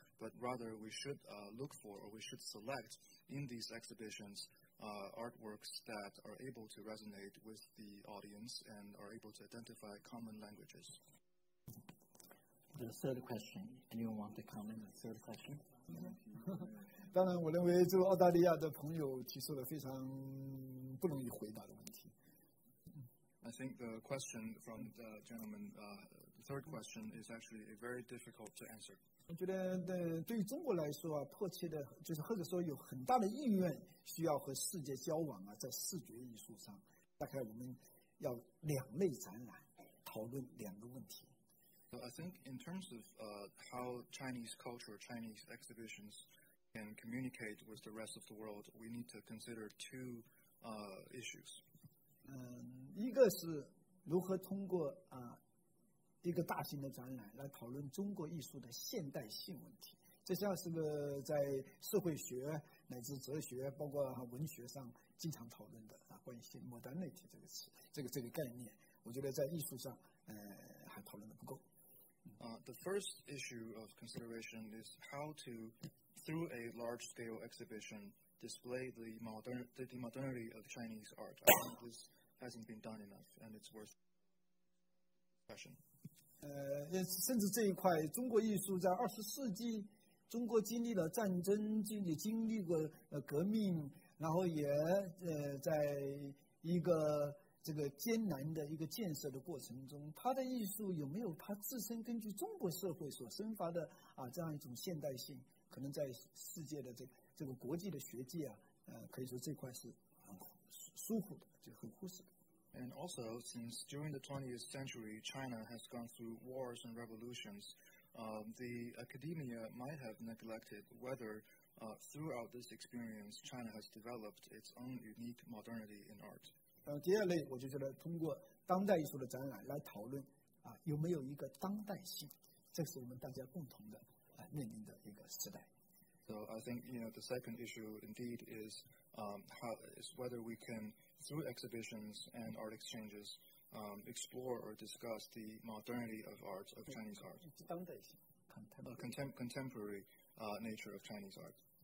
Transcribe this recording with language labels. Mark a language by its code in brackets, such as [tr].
[en] But rather, we should look for or we should select in these exhibitions artworks that are able to resonate with the audience and are able to identify common languages. The third question. Anyone want to comment on the third question? Mm-hmm. [zh] 当然我认为这个澳大利亚的朋友提出了非常不容易回答的问题。 [en] I think the question from the gentleman, the third question is actually a very difficult to answer. [zh] 我觉得对于中国来说啊，迫切的就是或者说有很大的意愿需要和世界交往啊，在视觉艺术上，大概我们要两类展览讨论两个问题。 [en] So I think in terms of how Chinese culture, Chinese exhibitions can communicate with the rest of the world, we need to consider two issues. [zh] 一个是如何通过一个大型的展览来讨论中国艺术的现代性问题，这像是个在社会学乃至哲学包括文学上经常讨论的关于现 modernity 这个词，这个概念，我觉得在艺术上还讨论的不够。 [en] The first issue of consideration is how to, through a large-scale exhibition, display the modernity of Chinese art. I think this hasn't been done enough, and it's worth discussion. [zh] 甚至这一块，中国艺术在二十世纪，中国经历了战争，经历过革命，然后也在一个这个艰难的一个建设的过程中，他的艺术有没有他自身根据中国社会所生发的这样一种现代性，可能在世界的这个国际的学界可以说这块是很疏忽的，就很忽视的。 [en] And also, since during the 20th century, China has gone through wars and revolutions, the academia might have neglected whether throughout this experience, China has developed its own unique modernity in art. [zh] 第二类，我就觉得通过当代艺术的展览来讨论有没有一个当代性，这是我们大家共同的面临的一个时代。 [en] So I think, you know, the second issue indeed is is whether we can, through exhibitions and art exchanges, explore or discuss the modernity of art, of Chinese art. [zh] 当代性 [en] contemporary. Contemporary nature of Chinese art.